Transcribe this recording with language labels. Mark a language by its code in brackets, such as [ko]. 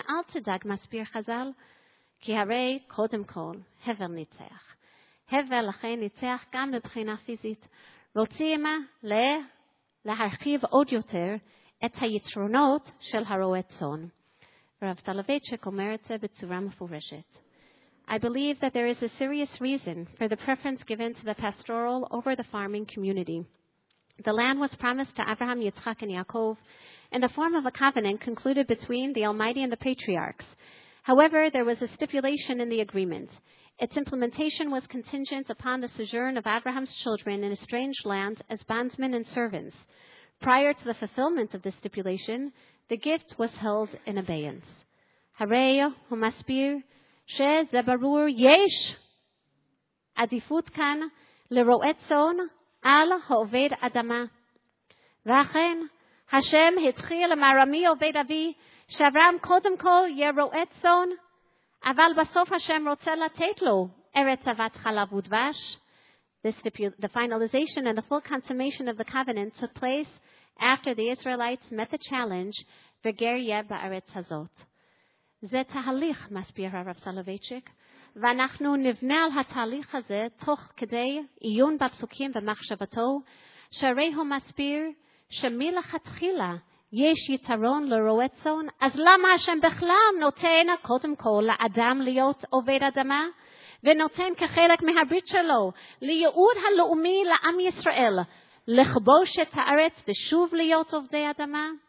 [he] אל תדאג, מסביר חזל, כי הרי קודם כל הבל ניצח. הבל לכן ניצח גם מבחינה פיזית. רוצים להרחיב עוד יותר את היתרונות של הרועה צאן. רב טלוויצ'ק אומר את זה בצורה מפורשת. [en] I believe that there is a serious reason for the preference given to the pastoral over the farming community. The land was promised to Abraham, Yitzchak, and Yaakov in the form of a covenant concluded between the Almighty and the patriarchs. However, there was a stipulation in the agreement. Its implementation was contingent upon the sojourn of Abraham's children in a strange land as bondsmen and servants. Prior to the fulfillment of this stipulation, the gift was held in abeyance. [he] Harei hu masbir she ze barur yesh adifut kan leroet zon על העובד אדמה. ואכן, השם התחיל עם ארמי עובד אבי, שאברהם קודם כל יהיה רועה צאן, אבל בסוף השם רוצה לתת לו ארץ זבת חלב ודבש. [en] The finalization and the full consummation of the covenant took place after the Israelites met the challenge [he] בגריה בארץ הזאת. זה תהליך, מסביר הרב סלוויצ'יק, ואנחנו נבנה על התהליך הזה תוך כדי עיון בפסוקים ומחשבתו, שהרי הוא מסביר שמלכתחילה יש יתרון לרועה צאן, אז למה השם בכלל נותן קודם כל לאדם להיות עובד אדמה, ונותן כחלק מהברית שלו לייעוד הלאומי לעם ישראל, לכבוש את הארץ ושוב להיות עובדי אדמה?